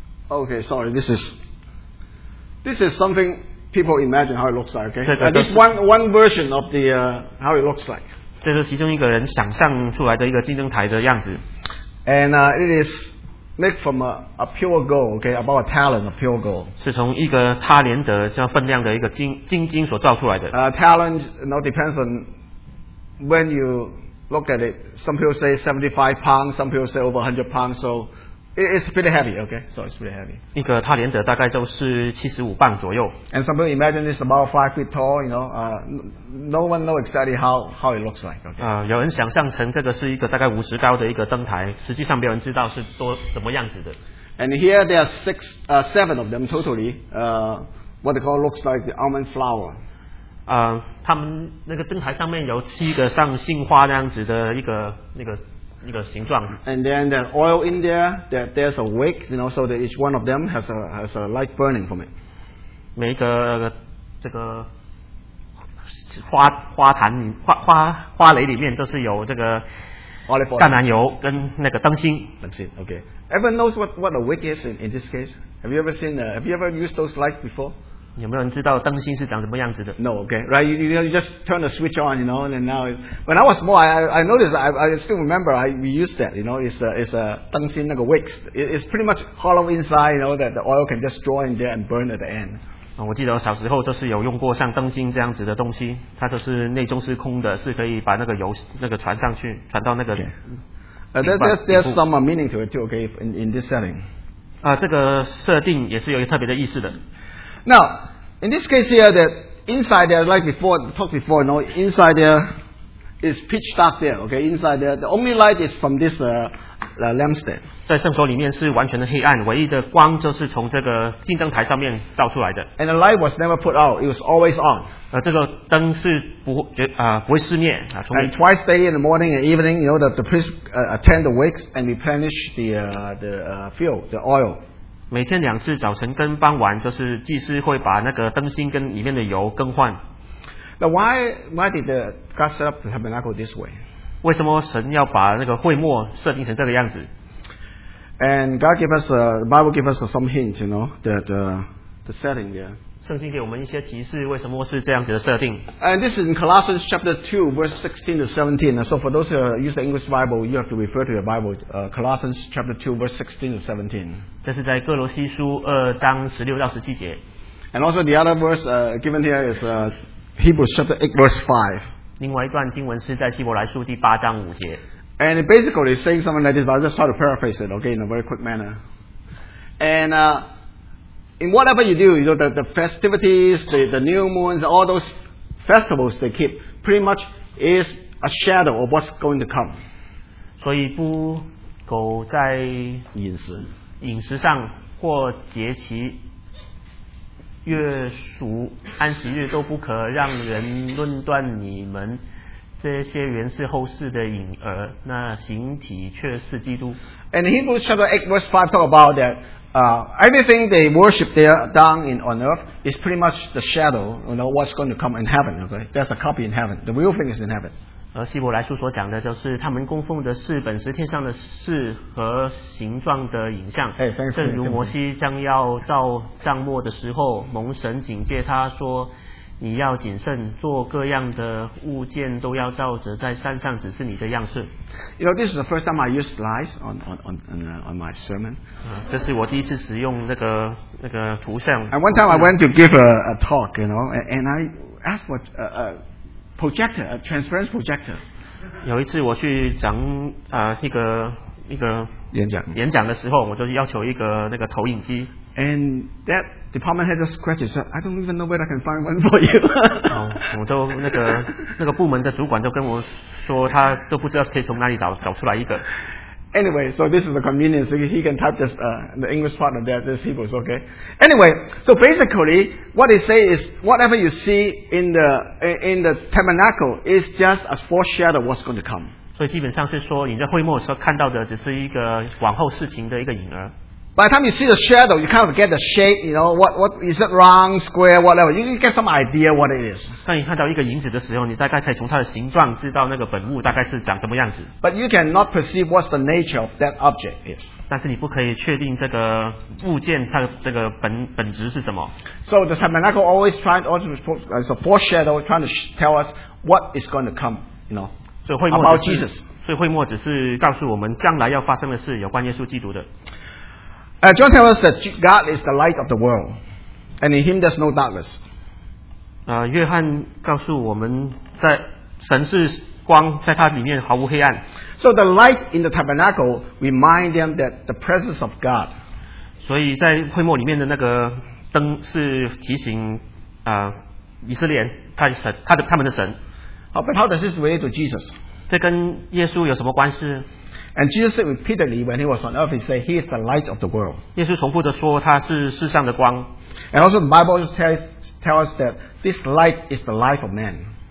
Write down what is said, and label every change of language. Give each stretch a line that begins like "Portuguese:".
English: Okay, sorry, this is something people imagine how it looks like, okay? And this one version of the, how it looks like.
Chinese: 这是其中一个人想象出来的一个金灯台的样子。
English: And it is made from a pure gold, okay? About a talent of pure gold.
Chinese: 是从一个他连德这样分量的一个金所造出来的。
English: Talent, you know, depends on when you look at it. Some people say 75 pounds, some people say over 100 pounds, so... It's pretty heavy, okay? So it's pretty heavy.
Chinese: 一个他连德大概就是75磅左右。
English: And some people imagine it's about 5 feet tall, you know. No one knows exactly how it looks like, okay?
Chinese: 有人想象成这个是一个大概50高的一个灯台，实际上没有人知道是多怎么样子的。
English: And here there are seven of them totally. What they call looks like the almond flower.
Chinese: 他们那个灯台上面有七个像杏花那样子的一个形状。
English: And then the oil in there, there's a wick, you know, so that each one of them has a light burning from it.
Chinese: 每一个这个花蕾里面就是有这个橄榄油跟那个灯芯。灯芯
English: okay. Everyone knows what a wick is in this case? Have you ever used those lights before?
Chinese: 有没有人知道灯芯是长什么样子的
English: ？No, okay, right? You just turn the switch on, you know, and now when I was small, I noticed, I still remember, we used that, you know, it's a
Chinese: 灯芯那个
English: wicks, it's pretty much hollow inside, you know, that the oil can just draw in there and burn at the end.
Chinese: 我记得小时候就是有用过像灯芯这样子的东西，它就是内中是空的，是可以把那个油那个传上去，传到那个。
English: There's some meaning to it too, okay, in this setting.
Chinese: 啊，这个设定也是有一个特别的意思的。
English: Now, in this case here, that inside there, like before, talked before, no, inside there is pitch dark there, okay, inside there, the only light is from this lampstand.
Chinese: 在圣所里面是完全的黑暗，唯一的光就是从这个金灯台上面照出来的。
English: And the light was never put out; it was always on.
Chinese: 这个灯是不会熄灭啊。
English: And twice daily in the morning and evening, you know, the priest attend the wicks and replenish the fuel, the oil.
Chinese: 每天两次，早晨跟傍晚，就是祭司会把那个灯芯跟里面的油更换。
English: Now why did God set up the tabernacle this way?
Chinese: 为什么神要把那个会幕设定成这个样子？
English: And God gave us, the Bible gave us some hint, you know, that the setting there.
Chinese: 圣经给我们一些提示，为什么是这样子的设定？
English: And this is in Colossians chapter 2, verse 16 to 17. So for those who use the English Bible, you have to refer to your Bible, Colossians chapter 2, verse 16 to 17.
Chinese: 这是在哥罗西书二章十六到十七节。
English: And also the other verse given here is Hebrews chapter 8, verse 5.
Chinese: 另外一段经文是在希伯来书第八章五节。
English: And basically saying something like this, I'll just try to paraphrase it, okay, in a very quick manner. And in whatever you do, you know, the festivities, the new moons, all those festivals they keep, pretty much is a shadow of what's going to come.
Chinese: 所以不苟在饮食饮食上或节期月俗安息日都不可让人论断你们。这些原是后世的影儿，那形体却是基督。
English: And Hebrews chapter 8 verse 5 talk about that. Everything they worship there down in on earth is pretty much the shadow. You know what's going to come in heaven. Okay, that's a copy in heaven. The real thing is in heaven.
Chinese: 而希伯来书所讲的就是他们供奉的是本是天上的事和形状的影像。
English: Hey, thanks,
Chinese: 正如摩西将要造帐幕的时候，蒙神警戒他说。你要谨慎，做各样的物件都要照着在山上指示你的样式。
English: You know, this is the first time I use slides on my sermon.
Chinese: 这是我第一次使用那个图像。
English: And one time I went to give a talk, you know, and I asked for a projector, a transparent projector.
Chinese: 有一次我去讲一个演讲的时候，我就要求一个那个投影机。
English: And that department head just scratches. I don't even know where I can find one for you.
Chinese: 我就那个部门的主管就跟我说，他都不知道可以从哪里找出来一个。
English: Anyway, so this is the convenience. He can type this the English part of that. This Hebrews, okay? Anyway, so basically, what they say is whatever you see in the tabernacle is just a foreshadow of what's going to come.
Chinese: 所以基本上是说，你在会幕时候看到的只是一个往后事情的一个影儿。
English: By the time you see the shadow, you kind of get the shape, you know, what is it round, square, whatever. You get some idea what it is.
Chinese: 当你看到一个影子的时候，你大概可以从它的形状知道那个本物大概是长什么样子。
English: But you cannot perceive what the nature of that object is.
Chinese: 但是你不可以确定这个物件它的这个本质是什么。
English: So the tabernacle always trying to as a foreshadow, trying to tell us what is going to come, you know, about Jesus.
Chinese: 所以会幕只是告诉我们将来要发生的事，有关耶稣基督的。
English: John tells us that God is the light of the world, and in Him there's no darkness.
Chinese: 约翰告诉我们在神是光，在他里面毫无黑暗。
English: So the light in the tabernacle remind them that the presence of God.
Chinese: 所以在会幕里面的那个灯是提醒以色列人他们的神。好
English: ，But how does this relate to Jesus?
Chinese: 这跟耶稣有什么关系？
English: And Jesus said repeatedly when he was on earth, he said he is the light of the world.
Chinese: 耶稣重复地说他是世上的光。
English: And also the Bible tells us that this light is the life of man.